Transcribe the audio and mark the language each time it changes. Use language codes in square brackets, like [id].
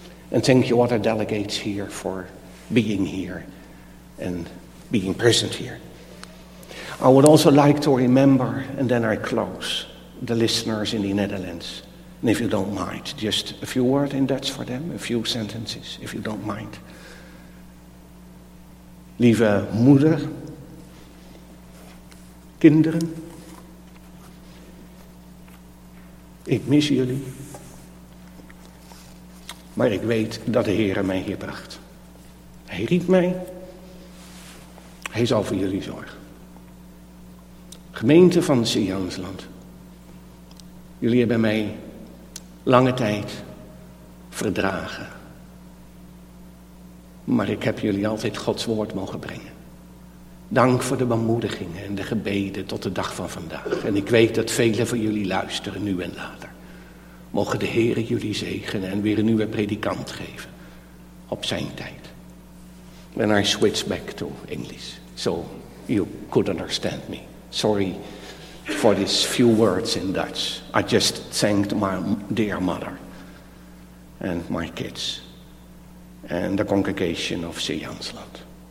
[en] And thank you, other delegates here, for being here and being present here. I would also like to remember, and then I close, the listeners in the Netherlands. And if you don't mind, just a few words in Dutch for them, a few sentences, if you don't mind. [nl] Lieve moeder, kinderen, ik mis jullie, maar ik weet dat de Heere mij hier bracht. Hij riep mij, hij zal voor jullie zorgen. Gemeente van Sijansland, jullie hebben mij lange tijd verdragen. Maar ik heb jullie altijd Gods woord mogen brengen. Dank voor de bemoedigingen en de gebeden tot de dag van vandaag. En ik weet dat velen van jullie luisteren, nu en later. Mogen de Heere jullie zegenen en weer een nieuwe predikant geven. Op zijn tijd. [en] When I switch back to English, so you could understand me. Sorry for these few words in Dutch. I just thanked my dear mother and my kids and the congregation of Sijansland.